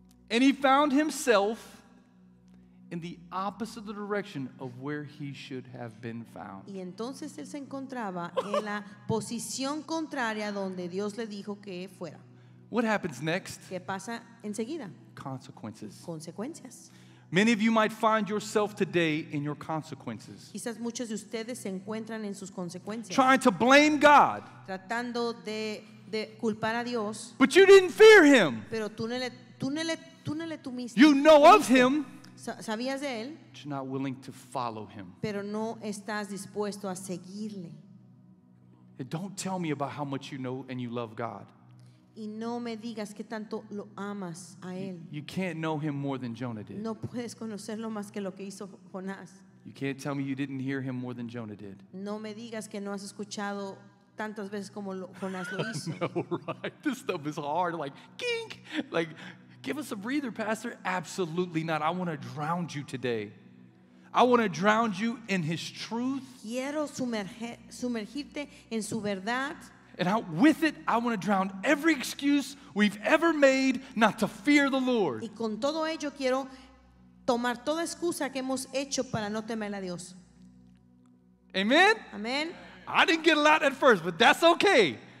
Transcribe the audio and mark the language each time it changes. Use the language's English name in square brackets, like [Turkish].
[English] And he found himself in the opposite direction of where he should have been found. [Spanish] Y entonces él se encontraba en la posición contraria donde Dios le dijo que fuera. [English] What happens next? [Spanish] ¿Qué pasa enseguida? [English] Consequences. [Spanish] Consecuencias. [English] Many of you might find yourself today in your consequences. [Spanish] Quizás muchos de ustedes se encuentran en sus consecuencias. [English] Trying to blame God. [Spanish] Tratando de culpar a Dios. [English] But you didn't fear him. [Spanish] Pero tú no le temiste. [English] You know of him. [Spanish] Sabías de él. [English] But you're not willing to follow him. [Spanish] Pero no estás dispuesto a seguirle. [English] And don't tell me about how much you know and you love God. [Spanish] Y no me digas que tanto lo amas a él. [English] You can't know him more than Jonah did. [Spanish] No puedes conocerlo más que lo que hizo Jonás. [English] You can't tell me you didn't hear him more than Jonah did. [Spanish] No me digas que no has escuchado tantas veces como Jonás lo hizo. [English] No, right? This stuff is hard. Like, kink. Like, give us a breather, Pastor. Absolutely not. I want to drown you today. I want to drown you in his truth. [Spanish] Quiero sumergirte en su verdad. [English] And with it, I want to drown every excuse we've ever made not to fear the Lord. [Spanish] Y con todo ello quiero tomar toda excusa que hemos hecho para no temer a Dios. [English] Amen. Amen. I didn't get a lot at first, but that's okay.